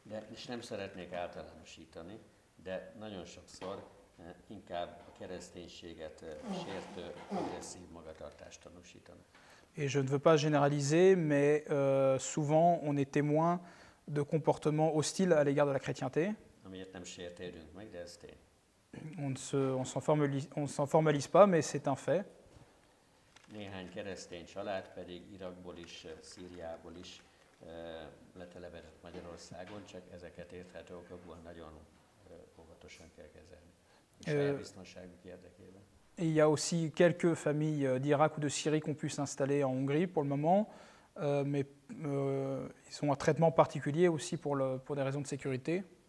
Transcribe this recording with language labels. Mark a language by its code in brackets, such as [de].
[hu] És nem szeretnék általánosítani, de nagyon sokszor inkább a kereszténységet sértő agresszív magatartást tanúsítanak. [fr] Et je ne veux pas généraliser, mais souvent on est témoin de comportements hostiles à l'égard de la chrétienté. [hu] Amiért nem sértődünk meg, de ez tény. [fr] On ne s'en formalise pas, mais c'est un fait. [hu] Néhány keresztény család pedig Irakból is, Szíriából is letelepedett Magyarországon, csak ezeket érthető okokból nagyon óvatosan kell kezelni. Biztonságuk érdekében. [fr] Il y a aussi quelques familles d'Irak ou de Syrie qu'on puisse installer en Hongrie pour le moment, mais ils ont un traitement particulier aussi pour des raisons de sécurité.